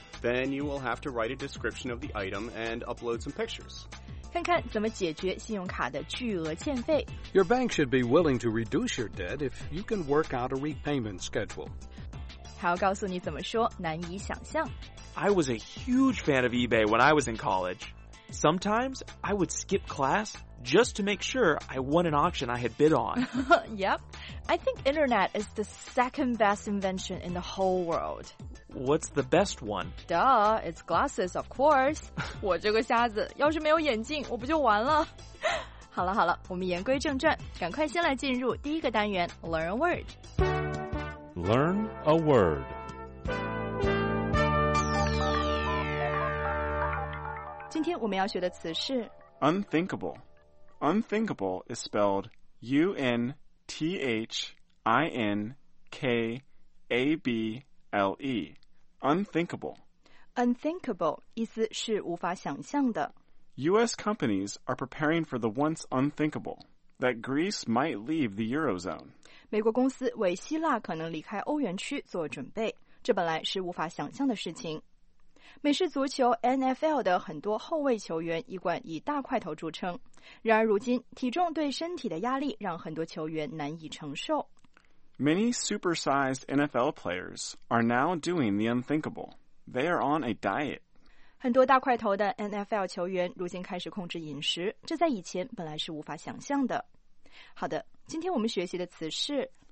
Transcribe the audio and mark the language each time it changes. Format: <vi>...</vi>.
<en>Then you will have to write a description of the item and upload some pictures.</en> <zh>看看怎么解决信用卡的巨额欠费。</zh> <en>Your bank should be willing to reduce your debt if you can work out a repayment schedule.</en> <zh>还要告诉你怎么说，难以想象。</zh> <en>I was a huge fan of eBay when I was in college. Sometimes I would skip class just to make sure I won an auction I had bid on. Yep. I think internet is the second best invention in the whole world. What's the best one? Duh, it's glasses, of course.</en> <zh>我这个瞎子要是没有眼镜我不就完了。好了好了，我们言归正传，赶快先来进入第一个单元</zh> <en>Learn a word. Learn a word.</en> <zh>今天我们要学的词是</zh> <en>unthinkable. Unthinkable is spelled U-N-T-H-I-N-K-A-B-L-E. Unthinkable.</en> <zh>Unthinkable 意思是无法想象的。</zh> <en>U.S. companies are preparing for the once unthinkable, that Greece might leave the Eurozone.</en> <zh>美国公司为希腊可能离开欧元区做准备，这本来是无法想象的事情。美式足球 NFL 的很多后卫球员一贯以大块头著称，然而如今体重对身体的压力让很多球员难以承受。</zh> <en>Many supersized NFL players are now doing the unthinkable. They are on a diet.</en> <zh>很多大块头的 NFL 球员如今开始控制饮食，这在以前本来是无法想象的。好的，今天我们学习的词是</zh>